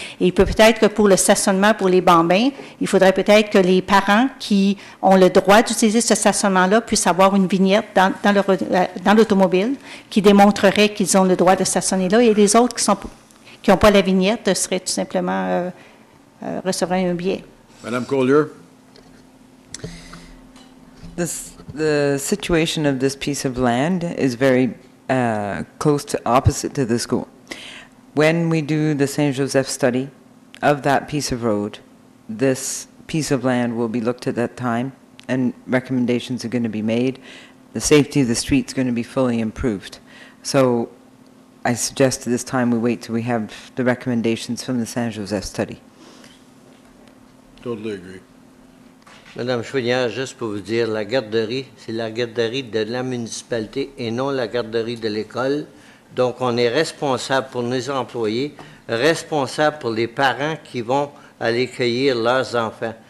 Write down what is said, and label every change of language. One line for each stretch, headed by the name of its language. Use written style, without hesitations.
French: Et il peut peut-être que pour le stationnement pour les bambins, il faudrait peut-être que les parents qui ont le droit d'utiliser ce stationnement-là puissent avoir une vignette dans l'automobile qui démontrerait qu'ils ont le droit de stationner là. Et les autres qui n'ont pas la vignette, seraient tout simplement recevraient un billet. Madame Courlieu.
English: The situation of this piece of land is very close to opposite to the school. When we do the Saint-Joseph study of that piece of road, this piece of land will be looked at that time and recommendations are going to be made. The safety of the street is going to be fully improved. So I suggest at this time we wait till we have the recommendations from the Saint-Joseph study. Totally agree.
French: Madame Chouinard, juste pour vous dire, la garderie, c'est la garderie de la municipalité et non la garderie de l'école. Donc, on est responsable pour nos employés, responsable pour les parents qui vont aller cueillir leurs enfants.